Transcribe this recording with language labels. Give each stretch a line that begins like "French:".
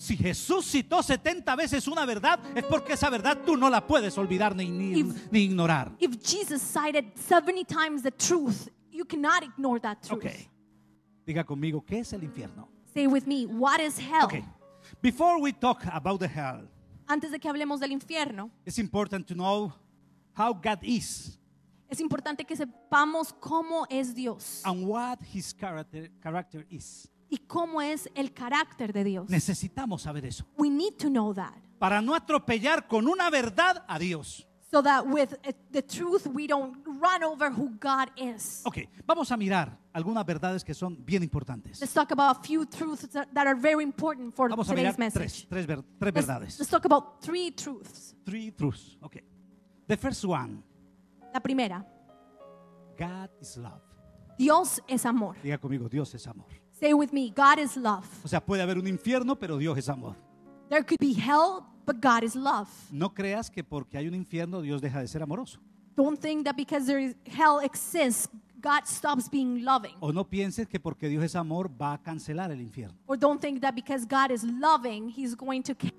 Spanish: Si Jesús citó 70 veces una verdad, es porque esa verdad tú no la puedes olvidar ni ignorar.
English: If Jesus cited 70 times the truth, you cannot ignore that truth.
Spanish: Okay. Diga conmigo, ¿qué es el infierno?
English: Say with me, what is hell? Okay. Before we talk about the hell,
Spanish: antes de que hablemos del infierno,
English: it's important to know how God is.
Spanish: Es importante que sepamos cómo es Dios.
English: And what his character is.
Spanish: Y cómo es el carácter de Dios. Necesitamos saber eso.
English: We need to know that.
Spanish: Para no atropellar con una verdad a Dios.
English: So that with the truth we don't run over who God is.
Spanish: Okay, vamos a mirar algunas verdades que son bien importantes.
English: Let's talk about a few truths that are very important for
Spanish: vamos
English: today's
Spanish: a mirar
English: message.
Spanish: Tres verdades.
English: Let's talk about three truths. Three truths, okay. The first one.
Spanish: La primera.
English: God is love.
Spanish: Dios es amor. Diga conmigo, Dios es amor.
English: Say with me, God is love.
Spanish: O sea, puede haber un infierno, pero Dios es amor.
English: There could be hell, but God is love.
Spanish: No creas que porque hay un infierno, Dios deja de ser amoroso.
English: Don't think that because there is hell exists, God stops being loving.
Spanish: O no pienses que porque Dios es amor, va a cancelar el infierno.
English: Or don't think that because God is loving, he's going to cancel